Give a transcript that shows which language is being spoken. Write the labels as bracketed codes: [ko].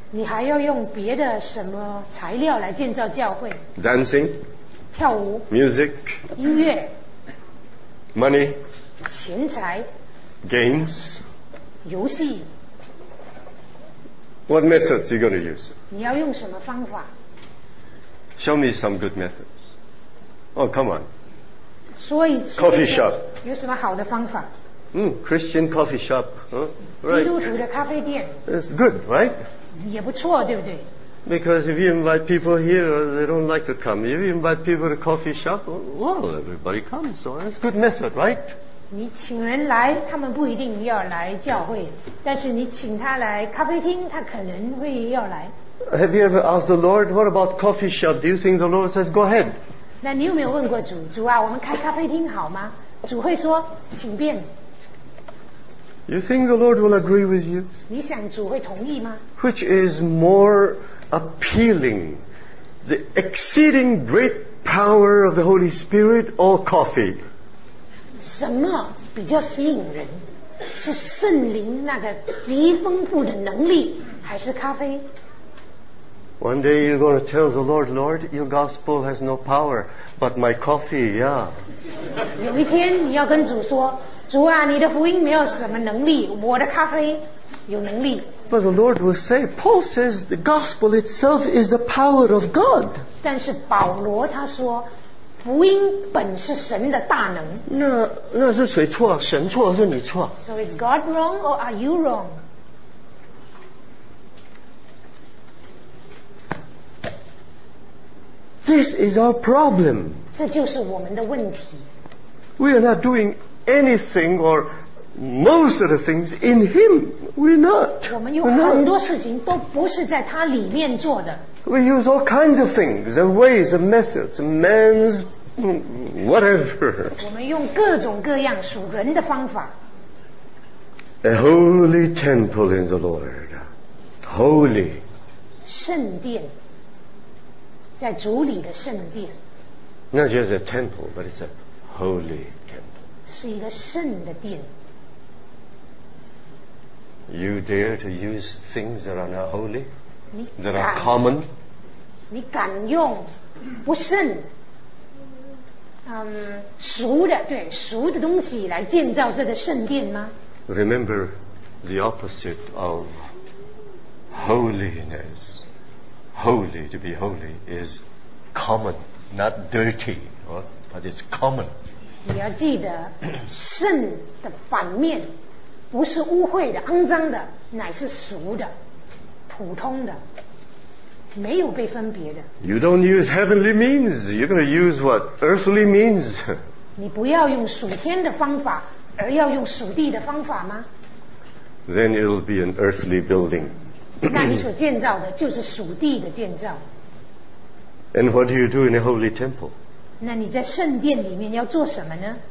[zh] 你还要用别的什么材料来建造教会 [en] ？Dancing， [zh] 跳舞 [en] ；Music， [zh] 音乐 [en] ；Money， [zh] 钱财。 [en] Games? [zh] 游戏。 [en] What methods are you going to use? [zh] 你要用什么方法? [en] Show me some good methods. Oh, come on. [zh] 所以, [en] coffee shop. [zh] 有什么好的方法? [en] Christian coffee shop. Right. [zh] 基督徒的咖啡店。 [en] It's good, right? [zh] 也不错, 对不对? [en] Because if you invite people here, they don't like to come. If you invite people to coffee shop, well, everybody comes. So it's a good method, right? [zh] 你请人来他们不一定要来教会但是你请他来咖啡厅他可能会要来 [en] Have you ever asked the Lord What about coffee shop? Do you think the Lord says go ahead? [zh] 那你有没有问过主主啊我们开咖啡厅好吗主会说请便 [en] You think the Lord will agree with you? [zh] 你想主会同意吗 [en] Which is more appealing The exceeding great power of the Holy Spirit or coffee? [zh] 什么比较吸引人？是圣灵那个极丰富的能力，还是咖啡 [en] ？One day you're going to tell the Lord, Lord, your gospel has no power, but my coffee, yeah. [zh] 有一天你要跟主说，主啊，你的福音没有什么能力，我的咖啡有能力。 [en] But the Lord will say, Paul says the gospel itself is the power of God. [zh] 但是保罗他说。福音本是神的大能。那是谁错？神错还是你错 [en] ？So is God wrong or are you wrong? This is our problem. [zh] 这就是我们的问题。 [en] We are not doing anything or most of the things in Him. We're not. [zh] 我们有很多事情都不是在他里面做的。 [en] We use all kinds of things and ways and methods, man's whatever. [zh] 我们用各种各样属人的方法。 [en] A holy temple in the Lord. Holy. [zh] 圣殿。在主里的圣殿。 [en] Not just a temple, but it's a holy temple. [zh] 是一个圣的殿。 [en] You dare to use things that are not holy? That are common? [zh] 你敢用不圣、熟的对熟的东西来建造这个圣殿吗 [en] Remember the opposite of holiness Holy to be holy is common Not dirty but it's common [zh] 你要记得圣的反面不是污秽的肮脏的乃是俗的普通的没有被分别的 [en] You don't use heavenly means You're going to use what? Earthly means [zh] 你不要用属天的方法而要用属地的方法吗？ [en] Then it will be an earthly building. [zh] 那你所建造的就是属地的建造。 [en] And what do you do in the holy temple? [zh] 那你在圣殿里面要做什么呢？